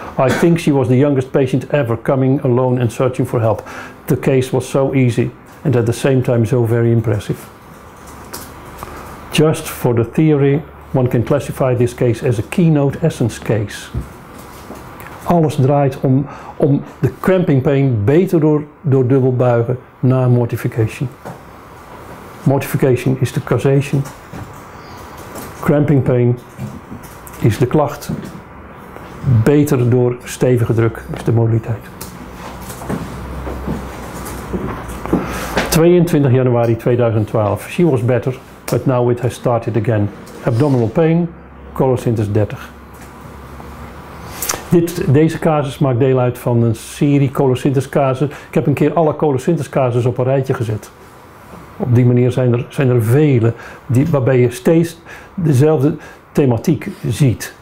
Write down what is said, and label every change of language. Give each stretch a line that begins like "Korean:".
English: I think she was the youngest patient ever coming alone and searching for help. The case was so easy and at the same time so very impressive. Just for the theory, one can classify this case as a keynote essence case.
Dutch: Alles draait om de cramping pain beter door dubbel buigen naar mortification. Mortification is de causation. Cramping pain is de klacht. Beter door stevige druk is de modaliteit. 22 januari 2012.
English: She was better, but now it has started again. Abdominal pain, Colocynthus 30.
Dutch: Deze casus maakt deel uit van een serie Colocynthus casus. Ik heb een keer alle Colocynthus casus op een rijtje gezet. Op die manier zijn er vele waarbij je steeds dezelfde thematiek ziet.